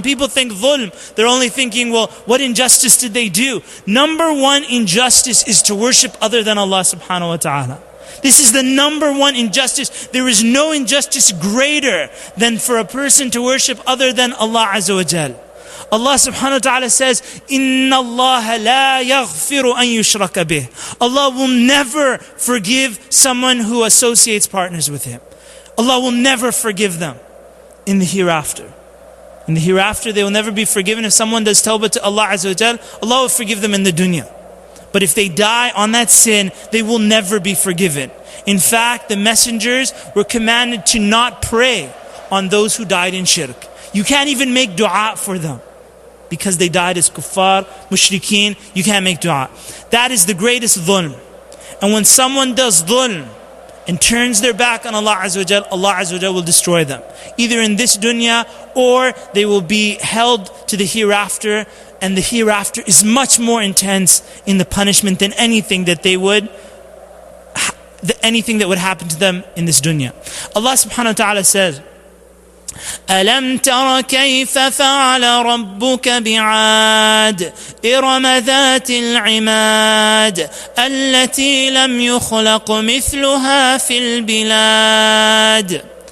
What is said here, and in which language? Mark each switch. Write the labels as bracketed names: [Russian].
[English] When people think dhulm, they're only thinking, well, what injustice did they do? Number one injustice is to worship other than Allah subhanahu wa ta'ala. This is the number one injustice. There is no injustice greater than for a person to worship other than Allah azza wa jal. Allah subhanahu wa ta'ala says, [Arabic] إِنَّ اللَّهَ لَا يَغْفِرُ أَن يُشْرَكَ بِهِ. [English] Allah will never forgive someone who associates partners with Him. Allah will never forgive them in the hereafter. In the hereafter, they will never be forgiven. If someone does tawbah to Allah Azza wa Jal, Allah will forgive them in the dunya. But if they die on that sin, they will never be forgiven. In fact, the messengers were commanded to not pray on those who died in shirk. You can't even make dua for them, because they died as kuffar, mushrikeen. You can't make dua. That is the greatest dhulm. And when someone does dhulm and turns their back on Allah Azza wa Jal, Allah Azza wa Jal will destroy them, either in this dunya or they will be held to the hereafter. And the hereafter is much more intense in the punishment than anything that they would, anything that would happen to them in this dunya. Allah subhanahu wa ta'ala says, [Arabic] أَلَمْ تَرَ كَيْفَ فَعَلَ رَبُّكَ بِعَادٍ إِرَمَ ذَاتِ الْعِمَادِ الَّتِي لَمْ يُخْلَقْ مِثْلُهَا فِي الْبِلَادِ.